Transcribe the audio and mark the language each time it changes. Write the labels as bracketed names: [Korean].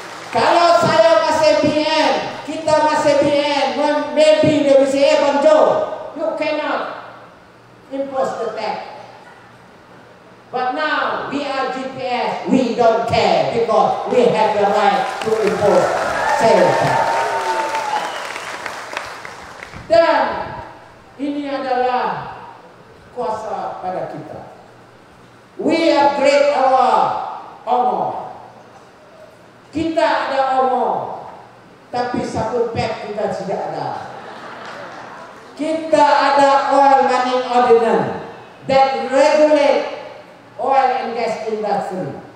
[Malay] Kalau saya masih BN, [English] kita masih BN, maybe they will say, hey, Bang Joe, you cannot impose the tax. But now we are GPS, we don't care because we have the right to impose sale tax. [Malay] Dan ini adalah kuasa pada kita. [English] We upgrade our armor. [Malay] Kita ada armor, tapi satu pack kita tidak ada. Kita ada oil mining ordinance that regulate oil and gas industry.